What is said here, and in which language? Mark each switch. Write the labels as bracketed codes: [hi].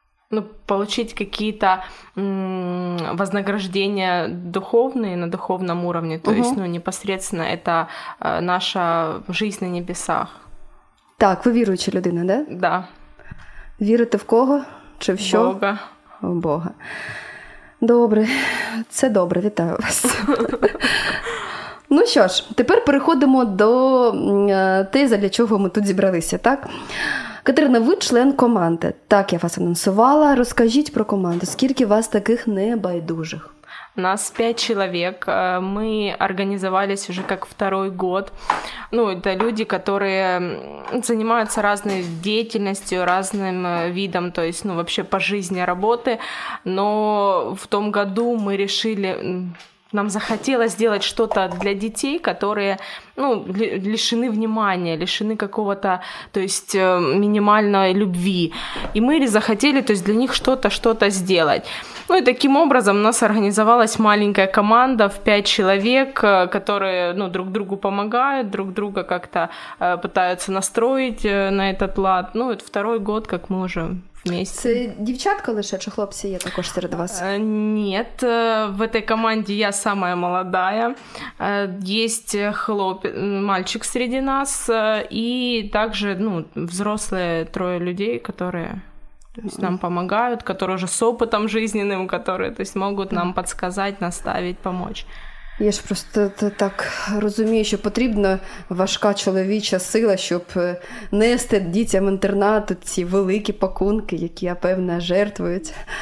[ru] Ну, получить какие-то вознаграждения духовные на духовном уровне, то есть, ну, непосредственно это наша жизнь на небесах. [uk] Так, ви віруюча людина, да? [ru] Да. [uk] Вірити в кого? Чи в що? В Бога. В Бога. Добре. Це добре, вітаю вас. Ну що ж, тепер переходимо до того, задля чого ми тут зібралися, так? Катерина, ви член команди. Так, я вас анонсувала. Розкажіть про команду. Скільки у вас таких небайдужих? У нас 5 чоловік. Ми організувалися вже як другий рік. Ну, це люди, які займаються різною діяльністю, різним видом, тобто, ну, взагалі по житті роботи. Але в тому році ми вирішили... [ru] нам захотелось сделать что-то для детей, которые, ну, лишены внимания, лишены какого-то, то есть, минимальной любви. И мы захотели, то есть, для них что-то сделать. Ну, и таким образом у нас организовалась маленькая команда в 5 человек, которые, ну, друг другу помогают, друг друга как-то пытаются настроить на этот лад. Ну, это второй год, как мы уже... Вместе. [uk] Це дівчатка лише, чи хлопці є також серед вас? [ru] Ні, в этой команде я самая молодая. Есть мальчик [uk] серед нас, [ru] и также, ну, взрослые трое людей, которые нам помогают, которые уже с опытом жизненным, которые, то есть, могут нам подсказать, наставить, помочь. [uk] Я ж просто так розумію, що потрібна важка чоловіча сила, щоб нести дітям інтернату ці великі пакунки, які, я певна, жертвують.